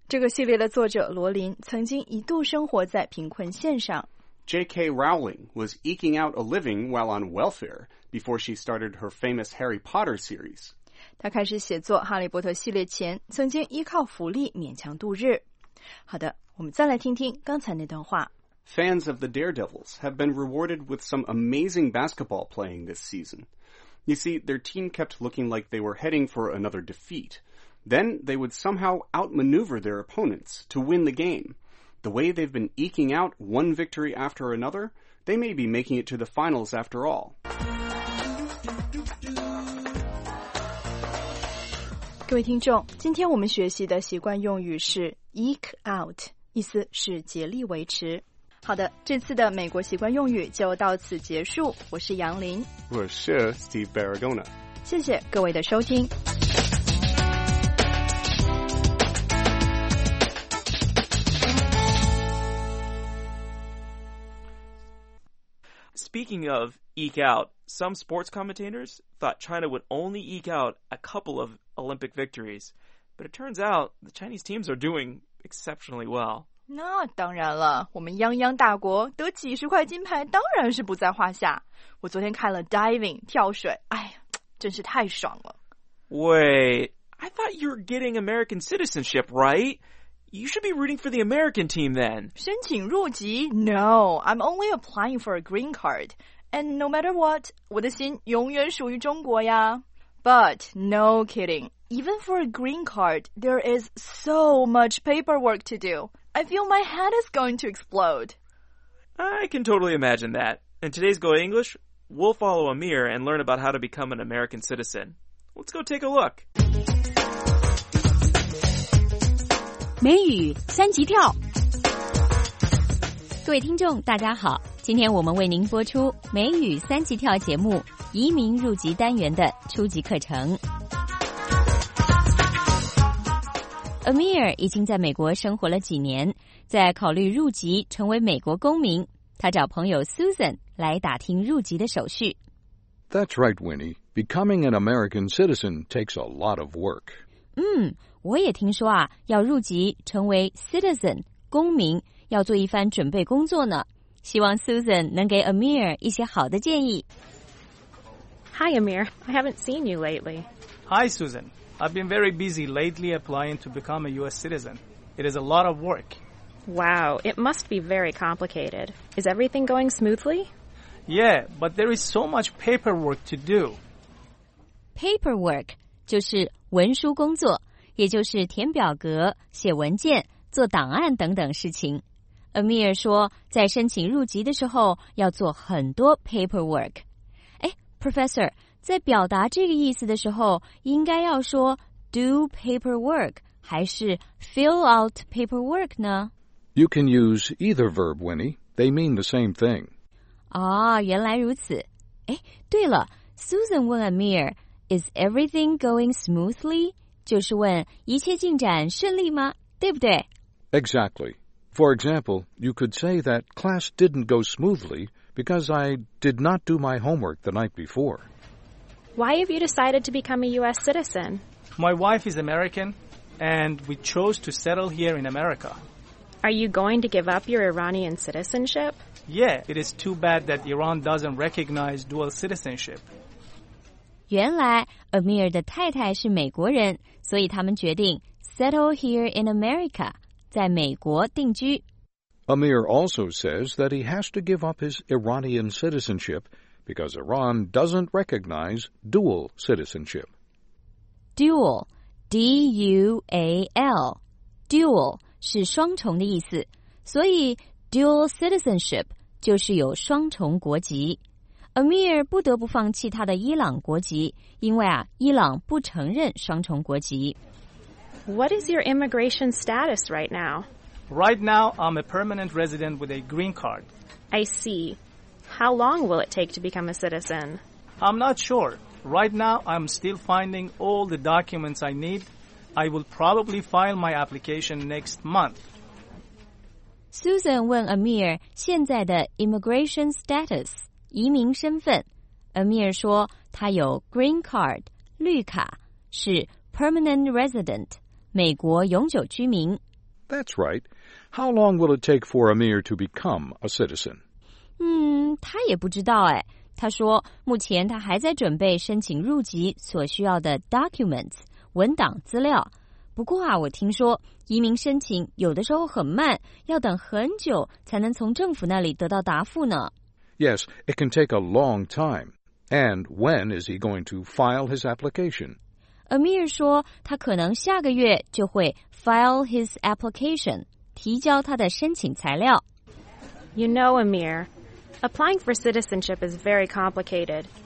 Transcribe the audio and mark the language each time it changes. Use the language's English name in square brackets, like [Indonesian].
[Chinese] 这个系列的作者罗琳曾经一度生活在贫困线上。 [English] J.K. Rowling was eking out a living while on welfare before she started her famous Harry Potter series. [Chinese] 她开始写作《哈利波特》系列前，曾经依靠福利勉强度日。好的，我们再来听听刚才那段话。 [English] Fans of the Daredevils have been rewarded with some amazing basketball playing this season. You see, their team kept looking like they were heading for another defeat. Then they would somehow outmaneuver their opponents to win the game. The way they've been eking out one victory after another, they may be making it to the finals after all. [Chinese] 各位听众，今天我们学习的习惯用语是 eke out, 意思是竭力维持。好的，这次的美国习惯用语就到此结束。我是杨林。我是 Steve Baragona。谢谢各位的收听。 [English] Speaking of eke out, some sports commentators thought China would only eke out a couple of Olympic victories. But it turns out the Chinese teams are doing exceptionally well. [Chinese] 那当然了，我们泱泱大国得几十块金牌当然是不在话下。我昨天看了 diving, 跳水，哎呀，真是太爽了。 [English] Wait, I thought you were getting American citizenship, right? You should be rooting for the American team then. [Chinese] 申请入籍? [English] No, I'm only applying for a green card. And no matter what, [Chinese] 我的心永远属于中国呀。 [English] But no kidding. Even for a green card, there is so much paperwork to do. I feel my head is going to explode. I can totally imagine that. In today's Go English, we'll follow Amir and learn about how to become an American citizen. Let's go take a look. [Chinese] 美语三级跳，各位听众大家好，今天我们为您播出美语三级跳节目移民入籍单元的初级课程。 Amir 已经在美国生活了几年，在考虑入籍成为美国公民，他找朋友 Susan 来打听入籍的手续。 [English] That's right, Winnie. Becoming an American citizen takes a lot of work. [Chinese] 我也听说啊，要入籍成为 citizen 公民，要做一番准备工作呢。希望 Susan 能给 Amir 一些好的建议。 [English] Hi Amir, I haven't seen you lately. Hi Susan, I've been very busy lately applying to become a U.S. citizen. It is a lot of work. Wow, it must be very complicated. Is everything going smoothly? Yeah, but there is so much paperwork to do. [Chinese] Paperwork 就是文书工作。也就是填表格、写文件、做档案等等事情。 Amir 说，在申请入籍的时候要做很多 paperwork。哎 ，Professor， 在表达这个意思的时候，应该要说 [English] do paperwork [Chinese] 还是 [English] fill out paperwork 呢? You can use either verb, Winnie. They mean the same thing. [Chinese] 哦,原来如此。哎,对了, Susan 问 Amir, [English] is everything going smoothly? [Chinese] 就是问一切进展顺利吗? 对不对? [English] Exactly. For example, you could say that class didn't go smoothly because I did not do my homework the night before. Why have you decided to become a U.S. citizen? My wife is American, and we chose to settle here in America. Are you going to give up your Iranian citizenship? Yeah, it is too bad that Iran doesn't recognize dual citizenship. [Chinese] 原来 Amir 的太太是美国人，所以他们决定 [English] settle here in America, [Chinese] 在美国定居。 [English] Amir also says that he has to give up his Iranian citizenship because Iran doesn't recognize dual citizenship. [Chinese] Dual, D-U-A-L, dual 是双重的意思，所以 dual citizenship 就是有双重国籍。 Amir 不得不放弃他的伊朗国籍，因为啊，伊朗不承认双重国籍。 [English] What is your immigration status right now? Right now, I'm a permanent resident with a green card. I see. How long will it take to become a citizen? I'm not sure. Right now, I'm still finding all the documents I need. I will probably file my application next month. [Chinese] Susan 问 Amir 现在的 immigration status, 移民身份。 Amir 说他有 green card, 绿卡,是 permanent resident, 美国永久居民。 [English] That's right. How long will it take for Amir to become a citizen? [Chinese] 他也不知道哎。他说目前他还在准备申请入籍所需要的 documents, 文档资料。不过啊，我听说移民申请有的时候很慢，要等很久才能从政府那里得到答复呢。 [English] Yes, it can take a long time. And when is he going to file his application? [Chinese] Amir 说他可能下个月就会 [English] file his application, [Chinese] 提交他的申请材料。 [English] You know, Amir, applying for citizenship is very complicated.